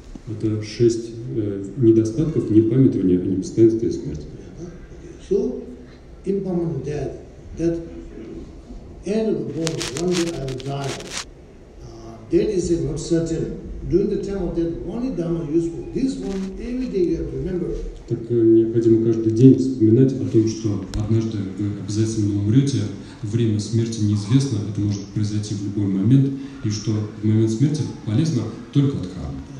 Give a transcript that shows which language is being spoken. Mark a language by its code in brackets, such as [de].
[ru] Это шесть недостатков непамятования о непостоянстве и смерти. [en] So impermanent death, that end of the world, one day I will die. Death is not certain. During the time of death, only Dharma useful. This one every day you have to remember. [ru] Так необходимо каждый день вспоминать о том, что однажды вы обязательно умрете. Время смерти неизвестно, это может произойти в любой момент, и что в момент смерти полезно только Дхарма.